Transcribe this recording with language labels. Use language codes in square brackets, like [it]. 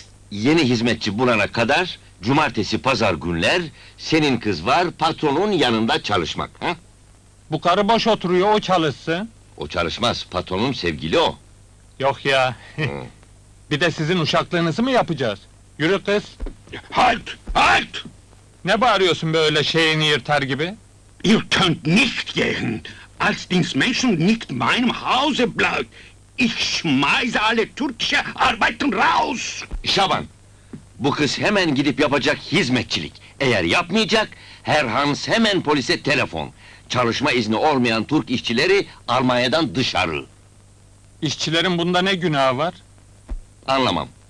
[tr] Yeni hizmetçi bulana kadar cumartesi pazar günler senin kız var patronun yanında çalışmak. Ha? Bu karı boş oturuyor, o çalışsın. O çalışmaz, patronun sevgili o. Yok ya. Bir de sizin uşaklığınızı mı yapacağız? Yürü kız. [de] Halt, halt! [tr] Ne bağırıyorsun böyle şeyini yırtar gibi? [de] Ihr könnt nicht gehen, als Dienstmenschen nicht meinem Hause bleibt. Ich meine alle türkische Arbeiten raus! [tr] Şaban! Bu kız hemen gidip yapacak hizmetçilik. Eğer yapmayacak, Herr Hans hemen polise telefon. Çalışma izni olmayan Türk işçileri Almanya'dan dışarı. İşçilerin bunda ne günahı var? Anlamam.